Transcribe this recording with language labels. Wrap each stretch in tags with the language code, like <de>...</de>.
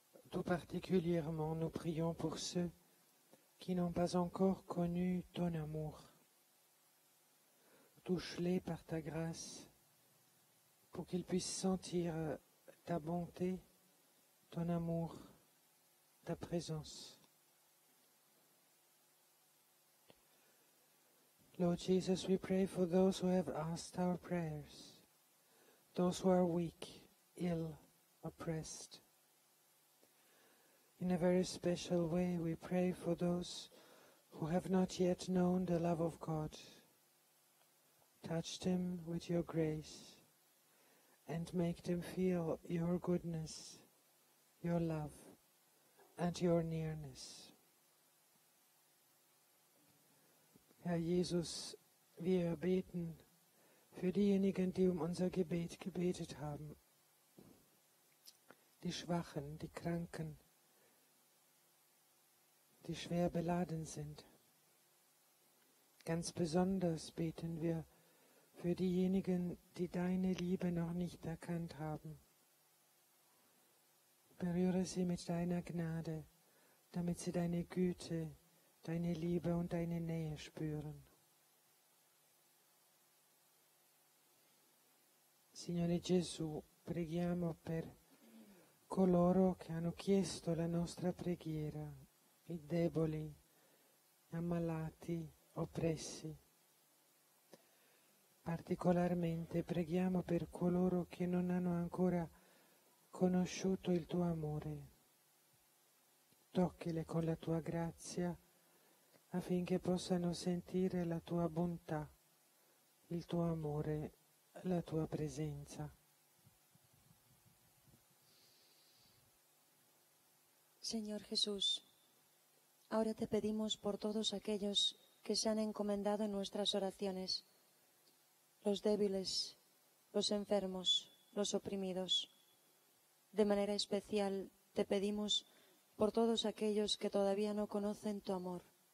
<fr>Tout particulièrement, nous prions pour ceux qui n'ont pas encore connu ton amour. Touche-les par ta grâce, pour qu'ils puissent sentir ta bonté, ton amour, ta présence.</fr> <en>Lord Jesus, we pray for those who have asked our prayers, those who are weak, ill, oppressed. In a very special way, we pray for those who have not yet known the love of God. Touch them with your grace and make them feel your goodness, your love, and your nearness.</en> <de>Herr Jesus, wir beten für diejenigen, die um unser Gebet gebetet haben, die Schwachen, die Kranken, die schwer beladen sind. Ganz besonders beten wir für diejenigen, die deine Liebe noch nicht erkannt haben. Berühre sie mit deiner Gnade, damit sie deine Güte, deine Liebe und deine Nähe spüren.</de> <it>Signore Gesù, preghiamo per coloro che hanno chiesto la nostra preghiera, i deboli, gli ammalati, oppressi. Particolarmente preghiamo per coloro che non hanno ancora conosciuto il tuo amore. Toccale con la tua grazia, affinché possano sentire la tua bontà, il tuo amore, la tua presenza.</it> <es>Señor Jesús, ahora te pedimos por todos aquellos que se han encomendado en nuestras oraciones, los débiles, los enfermos, los oprimidos. De manera especial, te pedimos por todos aquellos que todavía no conocen tu amor.</es>